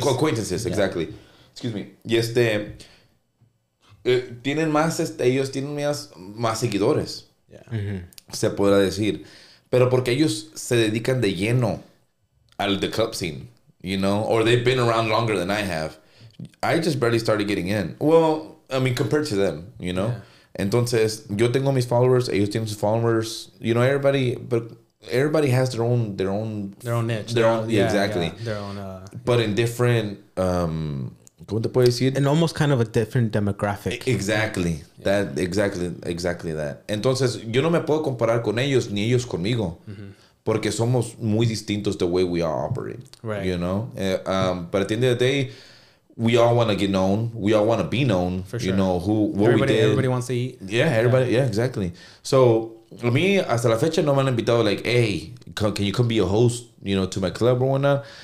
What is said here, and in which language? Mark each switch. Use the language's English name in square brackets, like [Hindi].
[English] Acquaintances, exactly. Yeah. Excuse me. [Spanish] Y tienen más ellos tienen más seguidores. [English] Yeah. [Spanish] Mm-hmm. Se podrá decir, pero porque ellos se dedican de lleno al [English] the club scene. You know, or they've been around longer than I have. I just barely started getting in. Well, I mean, compared to them, you know. Yeah. Entonces, yo tengo mis followers, ellos tienen sus followers. You know, everybody has their own Their own, yeah, exactly. Yeah, their own. But yeah. In different, [Spanish] ¿cómo te puedes decir? [English] And almost kind of a different demographic. Exactly. Yeah. That exactly that. [Spanish] Entonces, yo no me puedo comparar con ellos ni ellos conmigo. Mm-hmm. Porque somos muy distintos [English] the way we all operate. Right. You know? But at the end of the day, we all want to get known. We all want to be known. For sure. You know, everybody wants to eat. Yeah, everybody. Yeah, exactly. So, [Spanish] a mí, hasta la fecha, no me han invitado, [English] like, hey, can you come be a host, you know, to my club or whatnot?